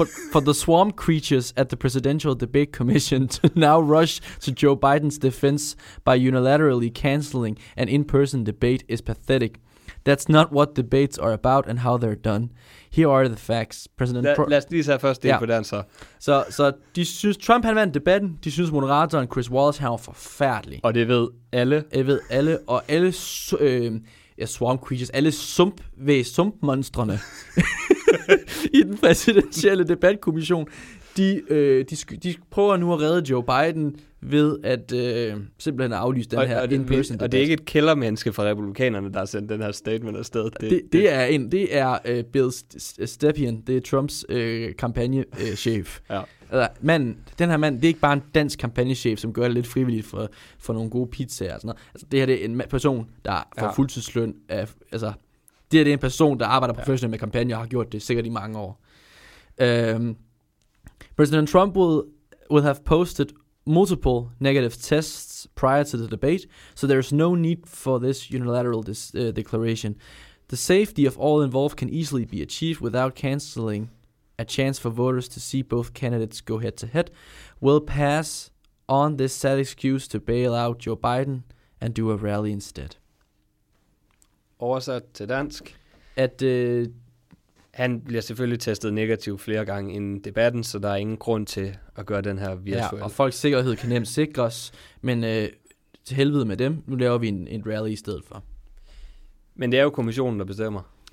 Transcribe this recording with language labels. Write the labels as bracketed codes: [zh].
[en] For the swamp creatures at the Presidential Debate Commission to now rush to Joe Biden's defense by unilaterally canceling an in-person debate is pathetic. That's not what debates are about and how they're done. Here are the facts. [da] Lad os lige sætte først det på den, så. Så de synes, Trump han vandt debatten. De synes, moderatoren Chris Wallace han var forfærdelig. Og det ved alle. Det ved alle. Og alle swamp creatures, alle sumpmonstrene i den præsidentielle debatkommission, De prøver nu at redde Joe Biden ved at simpelthen aflyse den her in-person debat. Og det er ikke et kældermenneske fra republikanerne, der har sendt den her statement afsted. Det er Bill Stepien, det er Trumps kampagnechef. Ja. Men den her mand, det er ikke bare en dansk kampagnechef, som gør det lidt frivilligt for nogle gode pizzaer og sådan noget. Altså, det her det er en person, der får fuldtidsløn. Det her det er en person, der arbejder professionelt med kampagne og har gjort det sikkert i mange år. [en] President Trump would have posted multiple negative tests prior to the debate, so there is no need for this unilateral declaration. The safety of all involved can easily be achieved without canceling a chance for voters to see both candidates go head-to-head. We'll pass on this sad excuse to bail out Joe Biden and do a rally instead. [da] Oversat til dansk. Han bliver selvfølgelig testet negativ flere gange inden debatten, så der er ingen grund til at gøre den her virtuel. Ja, og folks sikkerhed kan nemt sikres, men til helvede med dem, nu laver vi en rally i stedet for. Men det er jo kommissionen, der bestemmer.